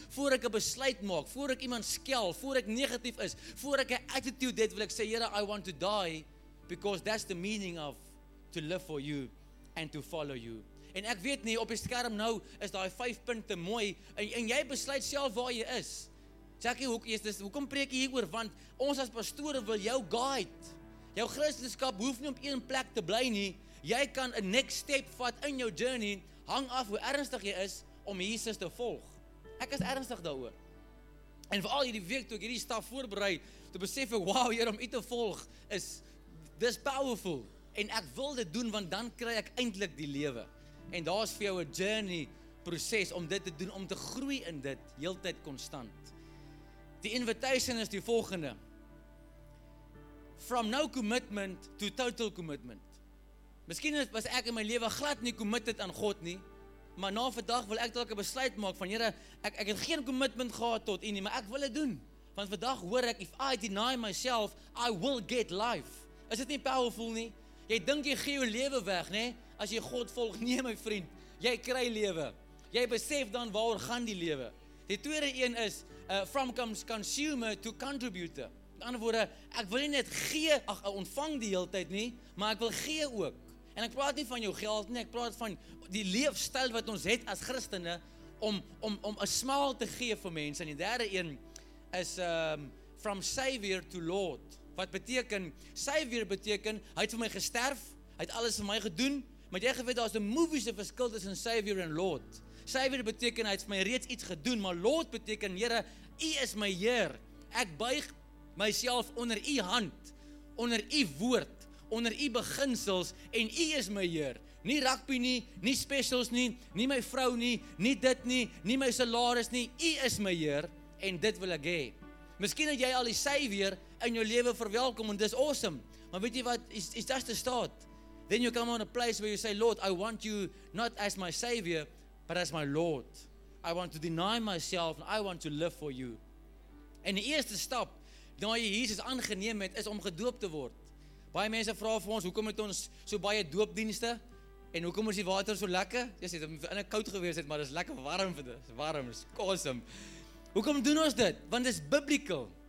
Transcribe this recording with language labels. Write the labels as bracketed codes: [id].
[af] Voor ek 'n besluit maak, voor ek iemand skel, voor ek negatief is, voor ek 'n attitude het, wil ek sê, Here, [en] I want to die because that's the meaning of to live for You and to follow You. [af] En ek weet nie, op die skerm nou is daai 5 punte mooi, en jy besluit self waar jy is. Jackie, hoekom preek jy hieroor? Want ons as pastore wil jou guide. Jou Christendom hoef nie op een plek te bly nie. Jy kan 'n next step vat in jou journey, hang af hoe ernstig jy is om Jesus te volg. Ek is ernstig daaroor. En veral hierdie week toe ek hierdie stap voorberei, te besef ek, wow, Here, om U te volg is this powerful. En ek wil dit doen, want dan kry ek eintlik die lewe. En daar's vir jou 'n journey proses om dit te doen, om te groei in dit heeltyd konstant. Die invitation is die volgende. [en] From no commitment to total commitment. [af] Miskien was ek in my lewe glad nie committed aan God nie, maar na vandag wil ek dalk 'n besluit maak van, Here, ek het geen commitment gehad tot U nie, maar ek wil dit doen. Want vandag hoor ek, [en] if I deny myself, I will get life. [af] Is dit nie powerful nie? Jy dink jy gee jou lewe weg, nê? As jy God volg, nee my vriend, jy kry lewe. Jy besef dan waaroor gaan die lewe. Die tweede een is [en] from consumer to contributor. [af] In ander woorde, ek wil nie net gee, ontvang die hele tyd nie, maar ek wil gee ook. En ek praat nie van jou geld nie, ek praat van die leefstyl wat ons het as Christene om 'n smaal te gee vir mense. En die derde een is [en] from savior to lord. [af] Wat beteken, savior beteken, hy het vir my gesterf, hy het alles vir my gedoen, maar jy geweet, daar's 'n movie se verskil tussen savior en lord. Savior beteken, hy het my reeds iets gedoen, maar Lord beteken, Here, U is my Heer. Ek buig myself onder U hand, onder U woord, onder U beginsels, en U is my Heer. Nie rugby nie, nie specials nie, nie my vrou nie, nie dit nie, nie my salaris nie. U is my Heer, en dit wil ek hê. Miskien het jy al die Savior in jou lewe verwelkom, en dis awesome. Maar weet jy wat, is dit te staat? [en] Then you come on a place where you say, Lord, I want You not as my Savior, but as my Lord. I want to deny myself and I want to live for You. [af] En die eerste stap na jy Jesus aangeneem het, is om gedoop te word. Baie mense vra vir ons, hoekom het ons so baie doopdienste? En hoekom is die water so lekker? Jy sê, dit in 'n koud gewees het, maar dit is lekker warm vir dit. Warm, is awesome. Hoekom doen ons dit? Want dit is biblical.